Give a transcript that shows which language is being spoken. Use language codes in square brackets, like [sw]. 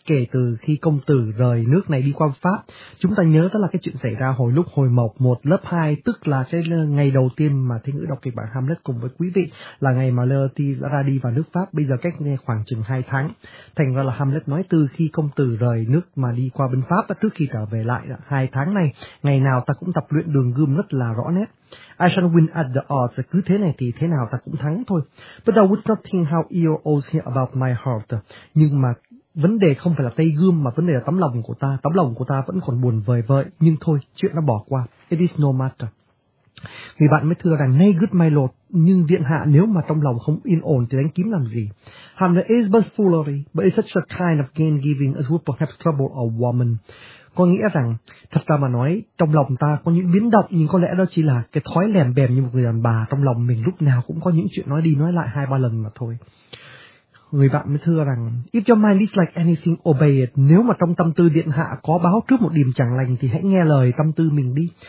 [vi] Kể từ khi công tử rời nước này đi qua Pháp, chúng ta nhớ đó là cái chuyện xảy ra hồi lúc hồi mộc một lớp 2, tức là cái ngày đầu tiên mà Thế Ngữ đọc kịch bản Hamlet cùng với quý vị, là ngày mà Laertes đã ra đi vào nước Pháp, bây giờ cách nghe khoảng chừng 2 tháng. Thành ra là Hamlet nói từ khi công tử rời nước mà đi qua bên Pháp, trước khi trở về lại 2 tháng này, ngày nào ta cũng tập luyện đường gươm rất là rõ nét. [en] I shall win at the odds, [vi] cứ thế này thì thế nào ta cũng thắng thôi. [en] But I would not think how ill old here about my heart. [vi] Nhưng mà vấn đề không phải là tay gươm, mà vấn đề là tấm lòng của ta. Tấm lòng của ta vẫn còn buồn vời vợi, nhưng thôi, chuyện nó bỏ qua. [en] It is no matter. [vi] Người bạn mới thưa rằng, [en] nay good my lord, [vi] nhưng điện hạ nếu mà trong lòng không yên ổn thì đánh kiếm làm gì? [en] Hamlet, is but foolery, but it's such a kind of gain giving as would perhaps trouble a woman. [vi] Có nghĩa rằng, thật ra mà nói, trong lòng ta có những biến động, nhưng có lẽ đó chỉ là cái thói lèm bèm như một người đàn bà, trong lòng mình lúc nào cũng có những chuyện nói đi nói lại 2-3 lần mà thôi. Người bạn mới thưa rằng, [en] if your mind is like anything, obey it. [vi] Nếu mà trong tâm tư điện hạ có báo trước một điểm chẳng lành thì hãy nghe lời tâm tư mình đi.